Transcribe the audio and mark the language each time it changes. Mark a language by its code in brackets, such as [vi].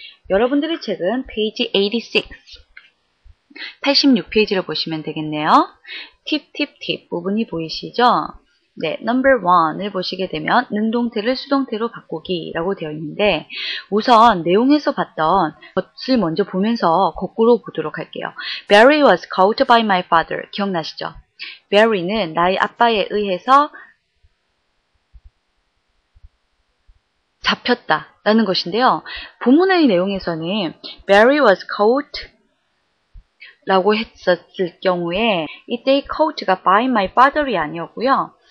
[ko] 여러분들의 책은 페이지 86, 86페이지를 보시면 되겠네요. 팁, 팁, 팁 부분이 보이시죠? 네, number one을 보시게 되면 능동태를 수동태로 바꾸기라고 되어 있는데 우선 내용에서 봤던 것을 먼저 보면서 거꾸로 보도록 할게요. [en] Barry was caught by my father. [ko] 기억나시죠? Barry는 나의 아빠에 의해서 잡혔다라는 것인데요. 본문의 내용에서는 [en] Barry was caught [ko] 라고 했었을 경우에 이때의 caught가 [en] by my father [ko] 이 아니었고요.